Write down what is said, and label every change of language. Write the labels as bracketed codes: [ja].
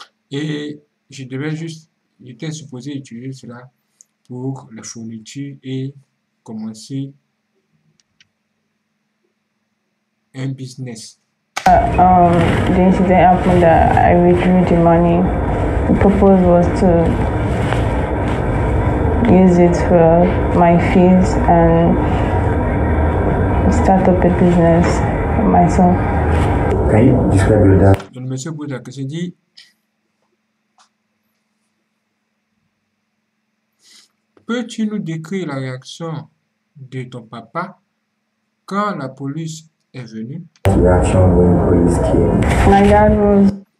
[fr] Et je devais juste, j'étais supposé utiliser cela pour la fourniture et commencer un business. [en] The incident happened that I withdrew the money. The purpose was to use it for my fees and start up a business myself. Can you describe your dad? [fr] Le monsieur Bouddha qui s'est dit, peux-tu nous décrire la réaction de ton papa quand la police est venue? [en] My dad was.